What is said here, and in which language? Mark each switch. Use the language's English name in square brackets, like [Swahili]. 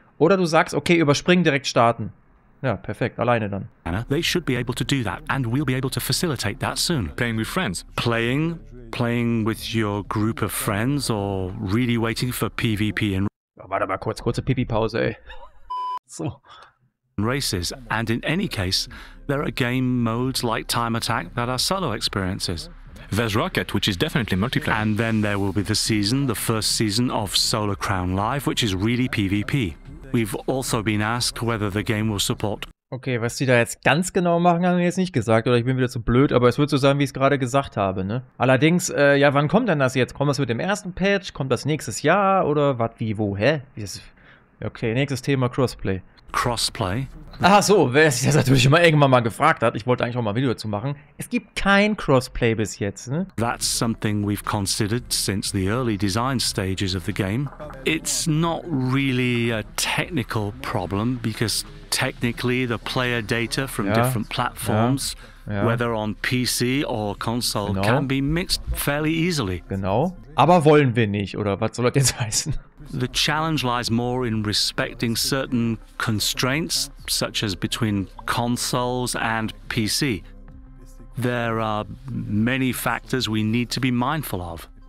[German] Oder du sagst, okay, überspringen, direkt starten. Ja, perfekt, alleine dann. [English] They should be able to do that and we'll be able to facilitate that soon. Playing with friends. Playing with your group of friends or really waiting for PvP in. [German] Warte mal kurz, kurze Pipi-Pause, ey. So. [English] Races, and in any case, there are game modes like Time Attack that are solo experiences. There's Rocket, which is definitely multiplayer. And then there will be the first season of Solar Crown Live, which is really PvP. We've also been asked whether the game will support. [German] Okay, was sie da jetzt ganz genau machen, haben wir jetzt nicht gesagt, oder ich bin wieder zu blöd, aber es wird so sein, wie ich es gerade gesagt habe, ne? Allerdings, ja, wann kommt denn das jetzt? Kommt das mit dem ersten Patch? Kommt das nächstes Jahr? Oder was, wie, wo, hä? Okay, nächstes Thema, Crossplay. Crossplay? Ach so, wer sich das natürlich immer irgendwann mal gefragt hat, ich wollte eigentlich auch mal ein Video dazu machen. Es gibt kein Crossplay bis jetzt, ne? [English] That's something we've considered since the early design stages of the game. It's not really a technical problem, because technically the player data from different platforms, whether on PC or console, can be mixed fairly easily. [German] Genau. Aber wollen wir nicht, oder was soll das jetzt heißen? [English] The challenge lies more in respecting certain constraints, such as between consoles and PC. There are many factors we need to be mindful of.